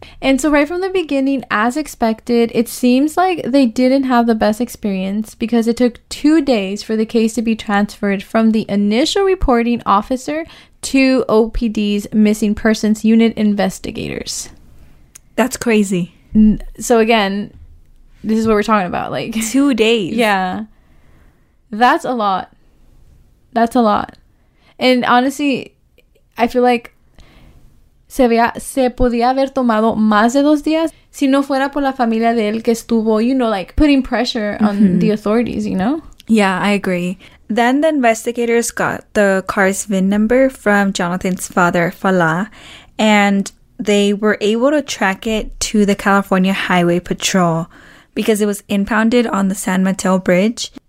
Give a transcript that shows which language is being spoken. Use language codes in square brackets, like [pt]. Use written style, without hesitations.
[en] And so right from the beginning, as expected, it seems like they didn't have the best experience because it took 2 days for the case to be transferred from the initial reporting officer to OPD's missing persons unit investigators. That's crazy. So again, this is what we're talking about. Like, 2 days. Yeah. That's a lot. And honestly, I feel like [es] se podía haber tomado más de 2 días si no fuera por la familia de él que estuvo, [en] you know, like, putting pressure on [es] mm-hmm. [en] the authorities, you know? Yeah, I agree. Then the investigators got the car's VIN number from Jonathan's father, Falah, and they were able to track it to the California Highway Patrol because it was impounded on the San Mateo Bridge.